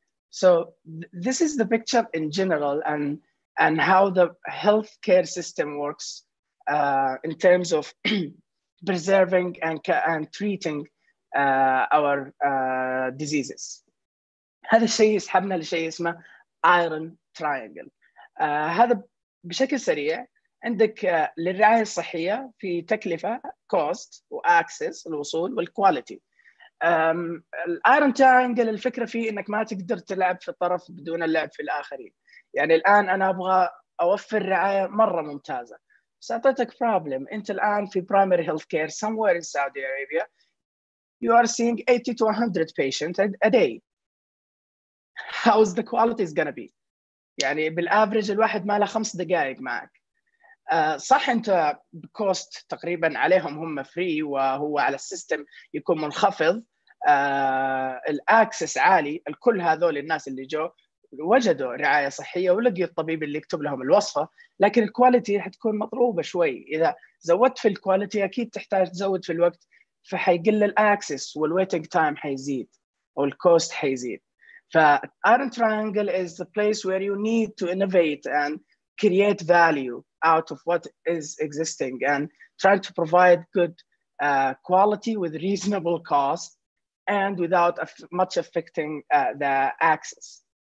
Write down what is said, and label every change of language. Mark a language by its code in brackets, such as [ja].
[en] So this is the picture in general and how the healthcare system works in terms of preserving and treating our diseases. [ar] هذا الشيء يسحبنا لشيء اسمه Iron Triangle. هذا بشكل سريع عندك للرعاية الصحية في تكلفة cost وaccess الوصول والquality. Iron Triangle الفكرة فيه إنك ما تقدر تلعب في الطرف بدون اللعب في الآخرين. يعني الآن أنا أبغى أوفر رعاية مرة ممتازة. سأعطيتك [en] problem. [ar] أنت الآن في [en] primary healthcare somewhere in Saudi Arabia. You are seeing 80 to 100 patients a day. How's the quality is gonna be? [ar] يعني بالأفريج الواحد ما له خمس دقائق معك. صح أنت بكوست تقريبا عليهم هم فري وهو على السيستم يكون منخفض. الأكسس عالي. الكل هذول الناس اللي جو وجدوا رعاية صحية ولقيوا الطبيب اللي يكتب لهم الوصفة. لكن الكواليتي حتكون مطلوبة شوي. إذا زودت في الكواليتي أكيد تحتاج تزود في الوقت. فحيقل الأكسس والويتنج تايم حيزيد. أو الكوست حيزيد. [en] Iron Triangle is the place where you need to innovate and create value out of what is existing and try to provide good quality with reasonable cost and without much affecting the access.